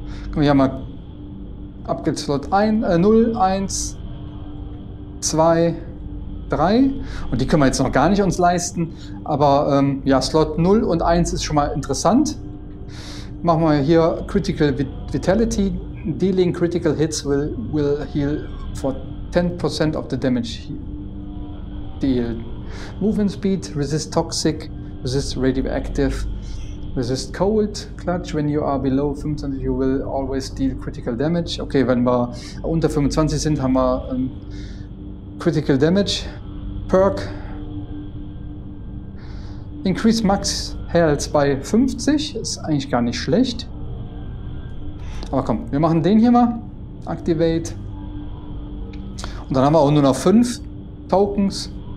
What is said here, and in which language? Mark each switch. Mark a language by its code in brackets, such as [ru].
[de] Können wir hier mal Upgrade-Slot 0, 1, 2, 3. Und die können wir jetzt noch gar nicht uns leisten. Aber ja, Slot 0 und 1 ist schon mal interessant. Machen wir hier Critical Vitality. [en] Dealing critical hits will heal for 10% of the damage dealed. Movement speed, resist toxic, resist radioactive, resist cold. Clutch, when you are below 25, you will always deal critical damage. [de] Okay, wenn wir unter 25 sind, haben wir Critical Damage. Perk. [en] Increase Max Health [de] bei 50. Ist eigentlich gar nicht schlecht. Aber komm, wir machen den hier mal. Activate. Und dann haben wir auch nur noch 5 Tokens.